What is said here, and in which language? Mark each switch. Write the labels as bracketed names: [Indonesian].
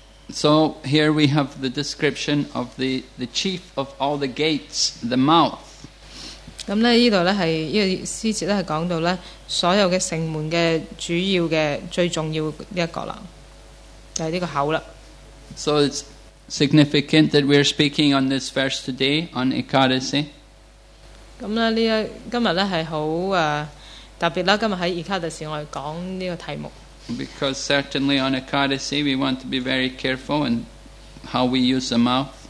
[English] So here we have the description of the chief of all the gates, the mouth. [Chinese] 这个诗节讲到所有的城门的最重要的一角，就是这个口。So [English] it's significant that we are speaking on this verse today, on Ekadasi. [Chinese] 今天是很特别的，今天在Ekadasi我们讲这个题目。 [English] Because certainly on Ekadasi we want to be very careful in how we use the mouth.